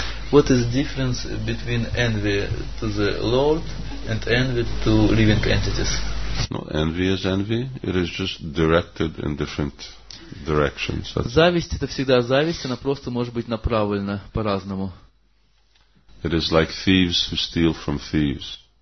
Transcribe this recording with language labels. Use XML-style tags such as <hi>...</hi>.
<en>What is the difference between envy to the Lord and envy to living entities? No, envy is envy. It is just directed in different directions.</en> <ru>Зависть — это всегда зависть, она просто может быть направлена по-разному.</ru> <en>It is like thieves who steal from thieves.</en>